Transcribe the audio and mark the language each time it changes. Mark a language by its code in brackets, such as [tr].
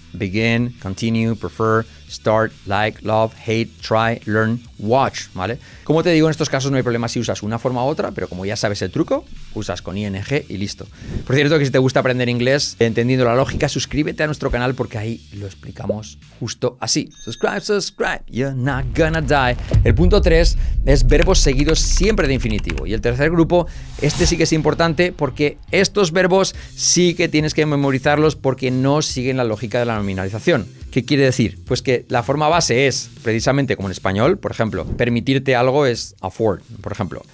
[en] Begin, continue, prefer, start, like, love, hate, try, learn, watch, ¿vale? [es] Como te digo, en estos casos no hay problema si usas una forma u otra, pero como ya sabes el truco, usas con ing y listo. Por cierto, que si te gusta aprender inglés entendiendo la lógica, suscríbete a nuestro canal porque ahí lo explicamos justo así. [en] Subscribe, subscribe, you're not gonna die. [es] El punto 3 es verbos seguidos siempre de infinitivo. Y el tercer grupo, este sí que es importante porque estos verbos sí que tienes que memorizarlos porque no siguen la lógica de la nominalización. ¿Qué quiere decir? Pues que la forma base es, precisamente como en español, por ejemplo, permitirte algo es afford, por ejemplo.